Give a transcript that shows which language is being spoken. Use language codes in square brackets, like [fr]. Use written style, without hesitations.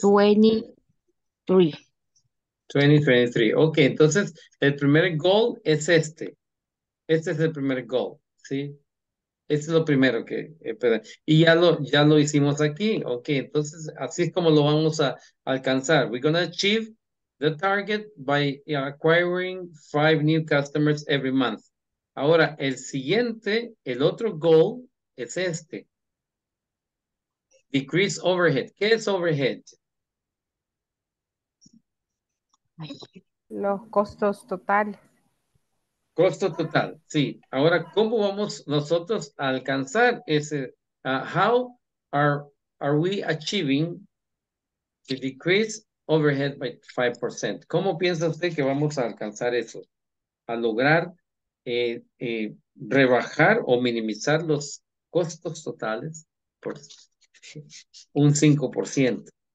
[es] 23. 2023. Ok, entonces el primer goal es este. Este es el primer goal, ¿sí? Este es lo primero que. Y ya lo hicimos aquí. Ok, entonces así es como lo vamos a alcanzar. [en] We're going to achieve the target by acquiring five new customers every month. [es] Ahora, el siguiente, el otro goal es este. [en] Decrease overhead. [es] ¿Qué es [en] overhead? [es] Los costos total. Costo total, sí. Ahora, ¿cómo vamos nosotros a alcanzar ese? [en] How are we achieving to decrease overhead by 5%? [es] ¿Cómo piensa usted que vamos a alcanzar eso? A lograr rebajar o minimizar los costos totales por un 5%.